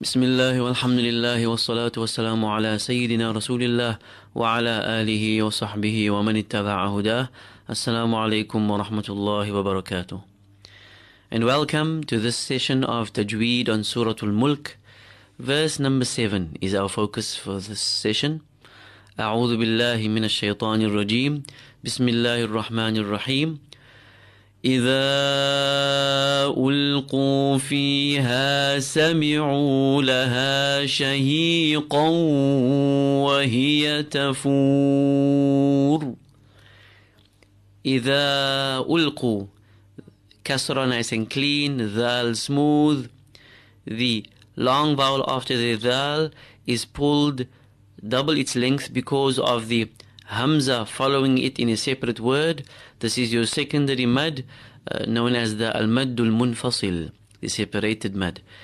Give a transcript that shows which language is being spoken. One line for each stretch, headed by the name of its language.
Arabic: بسم الله والحمد لله والصلاة والسلام على سيدنا رسول الله وعلى آله وصحبه ومن اتبع هداه السلام عليكم ورحمة الله وبركاته.
English: And welcome to this session of Tajweed on Surah Al-Mulk. Verse number 7 is our focus for this session.
Arabic: أعوذ بالله من الشيطان الرجيم بسم الله الرحمن الرحيم إذا ألقوا فيها سمعوا لها شهيقا وهي تفور. إذا ألقوا كسرة
English: nice and clean,
Arabic: ذال smooth.
English: The long vowel after the ذال is pulled double its length because of the Hamza following it in a separate word. This is your secondary mad, known as the al-maddul munfasil, the separated mad.